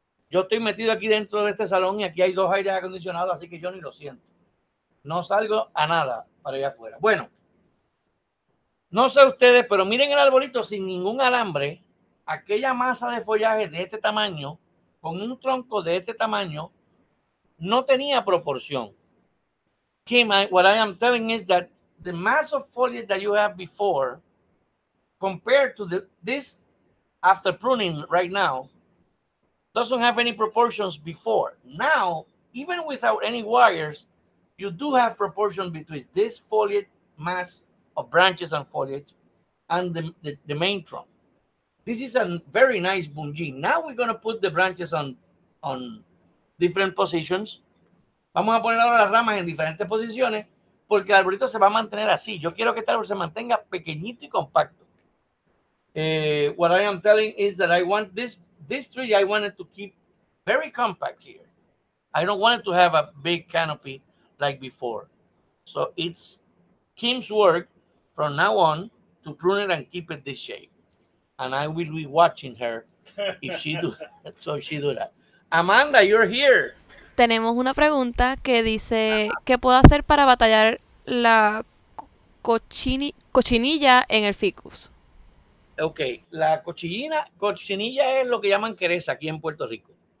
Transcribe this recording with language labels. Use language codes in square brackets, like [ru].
[es] Yo estoy metido aquí dentro de este salón y aquí hay 2 aires acondicionados, así que yo ni lo siento. No salgo a nada para allá afuera. Bueno. No sé ustedes, pero miren el arbolito sin ningún alambre, aquella masa de follaje de este tamaño, con un tronco de este tamaño, no tenía proporción. [en] Kim, what I am telling is that the mass of foliage that you have before, compared to this after pruning right now, doesn't have any proportions before. Now, even without any wires, you do have proportion between this foliage mass of branches and foliage and the main trunk. This is a very nice bungee. Now we're going to put the branches on different positions. [es] Vamos a poner ahora las ramas en diferentes posiciones porque el arbolito se va a mantener así. Yo quiero que este árbol se mantenga pequeñito y compacto. [en] What I am telling is that I want this tree, I want it to keep very compact here. I don't want it to have a big canopy like before. So it's Kim's work from now on to prune it and keep it this shape. And I will be watching her if she do that. So she do that. Amanda, you're here. [es] Tenemos una pregunta que dice, ¿qué puedo hacer para batallar la cochinilla en el ficus? Ok, la cochinilla es lo que llaman quereza aquí en Puerto Rico.